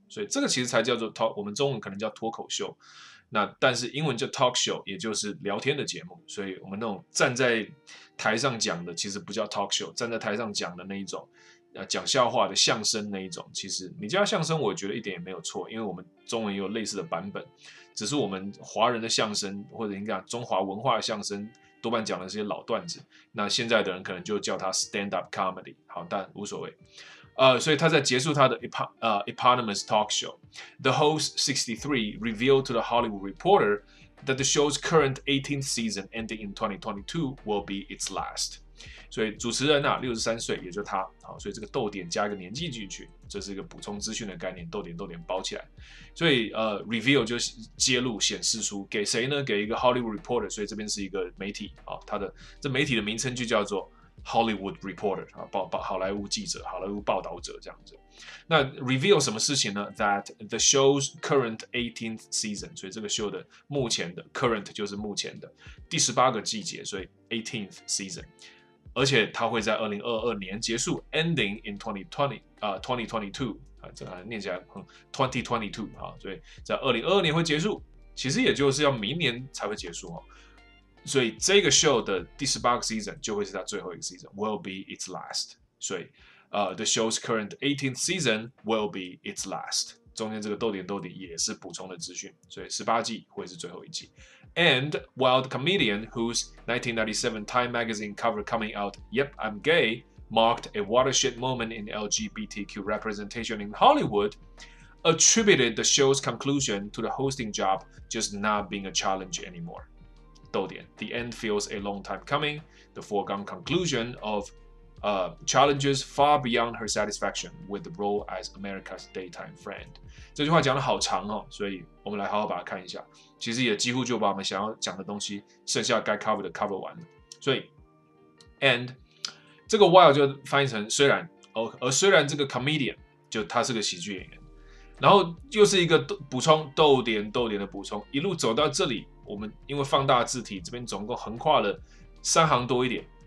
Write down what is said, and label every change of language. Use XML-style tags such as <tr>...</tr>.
<zh>所以这个其实才叫做 talk， 我们中文可能叫脱口秀。那但是英文叫 talk show， 也就是聊天的节目，所以我们那种站在台上讲的其实不叫 talk show， 站在台上讲的那一种，讲笑话的相声那一种，其实你叫相声，我觉得一点也没有错，因为我们中文也有类似的版本，只是我们华人的相声或者应该中华文化的相声多半讲的是些老段子，那现在的人可能就叫它 stand up comedy， 好，但无所谓。</zh> <en>所以他在结束他的 eponymous talk show， the host 63 revealed to the Hollywood Reporter that the show's current 18th season ending in 2022 will be its last。</en> <zh>所以主持人啊63岁，也就是他，好，所以这个逗点加一个年纪进去，这是一个补充资讯的概念，逗点包起来，所以reveal 就揭露显示出给谁呢？给一个 Hollywood Reporter， 所以这边是一个媒体，好，他的这媒体的名称就叫做Hollywood reporter 好莱坞记者，好莱坞报道者这样子。那 reveal 什么事情呢 ？ That the show's current 18th season，所以这个 show 的目前的 current 就是目前的第十八个季节，所以 18th season， 而且它会在2022年结束 ， ending in 2022 这念起来 2022 所以在2022年会结束，其实也就是要明年才会结束哦。所以这个 show 的第十八个 season 就会是他最后一个 season， will be its last。</zh> <en>所以，the show's current 18th season will be its last。</en> <zh>中间这个逗点也是补充的资讯，所以十八季会是最后一季。</zh> <en>And while the comedian whose 1997 Time magazine cover coming out "Yep, I'm gay" marked a watershed moment in LGBTQ representation in Hollywood, attributed the show's conclusion to the hosting job just not being a challenge anymore. 逗点，The end feels a long time coming. The foregone conclusion of challenges far beyond her satisfaction with the role as America's daytime friend.</en> <zh>这句话讲得好长哦，所以我们来好好把它看一下。其实也几乎就把我们想要讲的东西，剩下该 cover 的 cover 完了。所以 ，and 这个 while 就翻译成虽然，而虽然这个 comedian 就他是个喜剧演员，然后又是一个补充逗点逗点的补充，一路走到这里，我们因为放大字体这边总共横跨了三行多一点。</zh>